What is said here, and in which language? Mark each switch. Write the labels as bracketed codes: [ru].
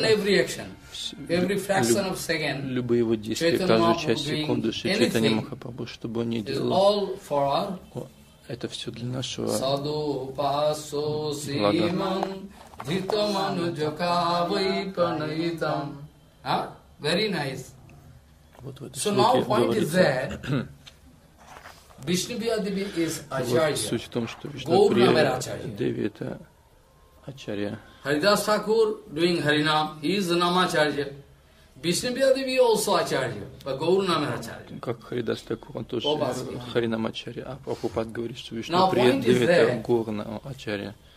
[ru] Любые его действия, каждую часть секунды, Шри Чайтанья Махапрабху, что бы он ни делал, это все для нашего блага. [en] Very nice. So now point is that Vishnu Priya Devi is acharya. [ru] Суть в том, что Вишну Прия Деви это ачарья. [en] Haridas Thakur doing Harinam, he is Namacharya. Vishnu Priya Devi also acharya, but Gauranamera acharya. [ru] Как Haridas Thakur, он тоже Харинам ачарья. А Прабхупад говорит, что Вишну Прия Деви это Гауранам ачарья.